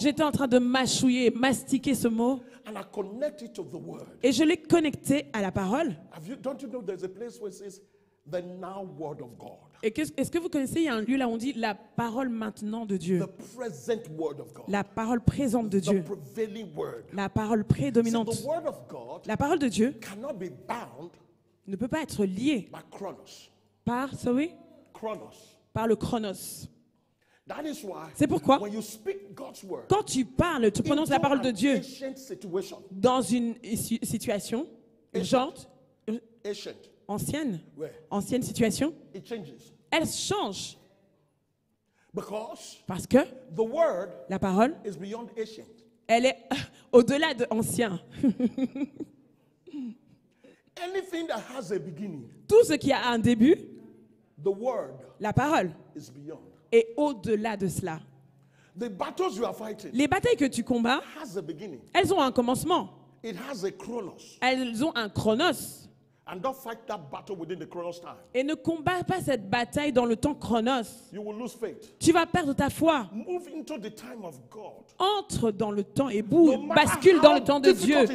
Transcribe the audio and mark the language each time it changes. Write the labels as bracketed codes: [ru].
[fr] J'étais en train de mâchouiller, mastiquer ce mot. [en] And I connect it to the word. [fr] Et je l'ai connecté à la parole. [en] Don't you know there's a place where it says the now word of God? [fr] Et est-ce que vous connaissez, il y a un lieu là où on dit la parole maintenant de Dieu. [en] The present word of God. [fr] La parole présente de [en] the [fr] Dieu. [en] Prevailing word. [fr] La parole prédominante. [en] See, the word of God, [fr] la parole de Dieu [en] cannot be bound [fr] ne peut pas être liée [en] by chronos. [fr] Par, [en] sorry, [fr] chronos. Par le chronos. [en] That is why, [fr] c'est pourquoi [en] when you speak God's word, [fr] quand tu parles, tu prononces la parole de Dieu [en] situation, [fr] dans une situation urgente, [en] ancient. [fr] Ancienne, [en] where? [fr] Ancienne situation, [en] it changes. [fr] Elle change. [en] Because [fr] parce que [en] the word [fr] la parole [en] is beyond ancient. [fr] Elle est au-delà de ancien. [en] Anything that has a beginning, [fr] tout ce qui a un début, [en] the word [fr] la parole [en] is beyond. [fr] Est au-delà de cela. [en] The battles you are fighting, [fr] les batailles que tu combats [en] has a beginning. [fr] Elles ont un commencement. [en] It has a chronos. [fr] Elles ont un chronos. [en] And don't fight that battle within the chronos time. [fr] Et ne combat pas cette bataille dans le temps chronos. [en] You will lose faith. [fr] Tu vas perdre ta foi. [en] Move into the time of God. [fr] Entre dans le temps et boue, bascule dans le temps de Dieu.